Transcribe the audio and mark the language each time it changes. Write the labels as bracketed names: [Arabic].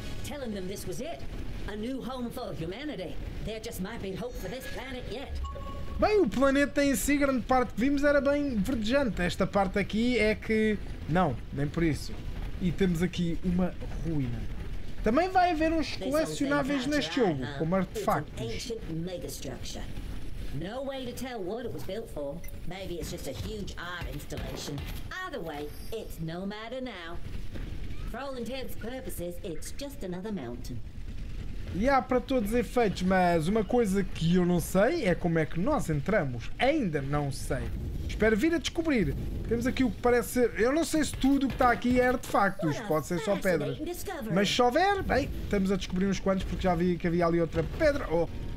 [English] Telling them this was it. A new home for humanity. There just might be hope for this planet yet. [Portuguese] Bem, o planeta em si, grande parte que vimos era bem verdejante. Esta parte aqui é que não, nem por isso. E temos aqui uma ruína. Também vai haver uns colecionáveis neste jogo, como artefactos. [English] It's an ancient megastructure. No way to tell what it was built for. Maybe it's just a huge art installation. Either way, it's no matter now. For all intents and purposes, it's just another mountain. [Portuguese] E há para todos efeitos, mas uma coisa que eu não sei é como é que nós entramos. Ainda não sei. Espero vir a descobrir. Temos aqui o que parece ser... Eu não sei se tudo o que está aqui é artefactos. Pode ser só pedras. Mas se houver, bem, estamos a descobrir uns quantos, porque já vi que havia ali outra pedra. Oh.